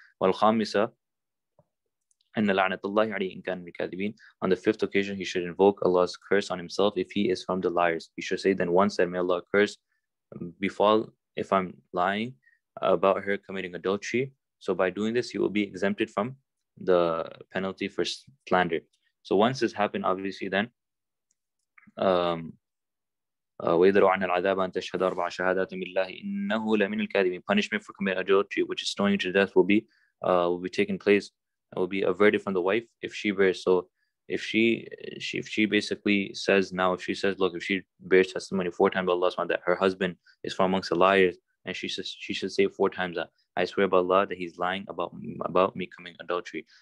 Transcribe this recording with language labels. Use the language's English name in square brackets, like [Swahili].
[English] Wal khamisa, on the fifth occasion, he should invoke Allah's curse on himself if he is from the liars. He should say then once that may Allah curse befall if I'm lying about her committing adultery. So by doing this, he will be exempted from the penalty for slander. So once this happened, obviously then, [Arabic] وَيَدْرُوا عَنَ الْعَذَابَ أَنْ تَشْهَدَ أَرْبَعَ شَهَادَاتٍ بِاللَّهِ إِنَّهُ لَمِنَ الْكَاذِبِينَ. [English] Punishment for committing adultery, which is stoning to death, will be taking place. It will be averted from the wife if she bears. So if she basically says now, if she says, look, if she bears testimony four times by Allah subhanahu wa ta'ala that her husband is from amongst the liars, and she says, she should say four times that I swear by Allah that he's lying about me coming adultery.